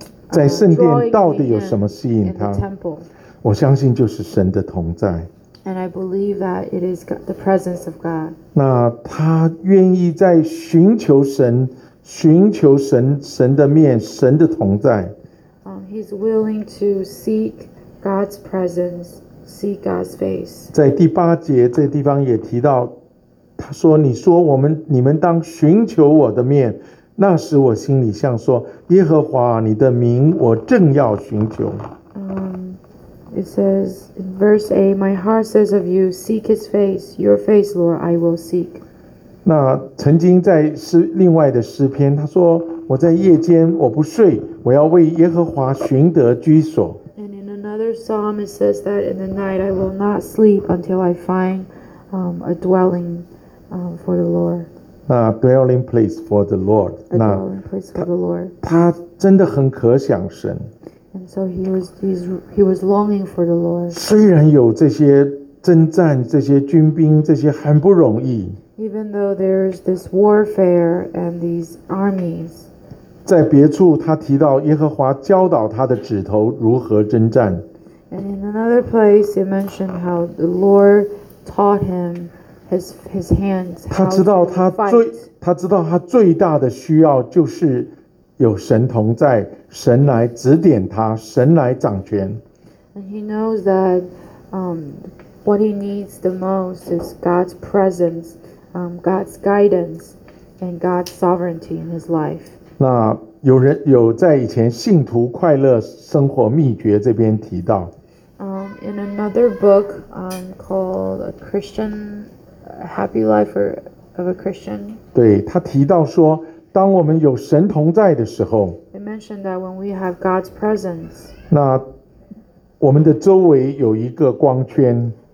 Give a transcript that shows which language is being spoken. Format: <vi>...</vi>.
<zh>在圣殿到底有什么吸引他？</zh> <en>In the temple.</en> <zh>我相信就是神的同在。</zh> <en>And I believe that it is the presence of God.</en> <zh>那他愿意在寻求神，寻求神，神的面，神的同在。</zh> <en>He's willing to seek God's presence, seek God's face.</en> <zh>在第八节这地方也提到，他说：“你说我们，你们当寻求我的面，那时我心里像说，耶和华，你的名，我正要寻求。”</zh> <en>It says in verse 8, My heart says of you, seek his face, your face, Lord, I will seek.</en> <zh>那曾经在另外的诗篇，他说，我在夜间我不睡，我要为耶和华寻得居所。</zh> <en>And in another psalm, it says that in the night I will not sleep until I find a dwelling for the Lord. 那 dwelling place for the Lord. A dwelling place for the Lord.</en> <zh>他真的很渴想神。</zh> <en>And so he was longing for the Lord.</en> <zh>虽然有这些征战，这些军兵，这些很不容易。</zh> <en>Even though there's this warfare and these armies.</en> <zh>在别处他提到耶和华教导他的指头如何征战。</zh> <en>And in another place, he mentioned how the Lord taught him his hands.</en> <zh>他知道他最大的需要就是有神同在。神来指点他，神来掌权。</zh> <en>And he knows that what he needs the most is God's presence, God's guidance, and God's sovereignty in his life.</en> <zh>那有人有在以前信徒快乐生活秘诀这边提到。</zh> <en>In another book called A Christian Happy Life of a Christian.</en> <zh>对他提到说，当我们有神同在的时候。</zh> <en>Mentioned that when we have God's presence,</en> <zh>那我们的周围有一个光圈。</zh>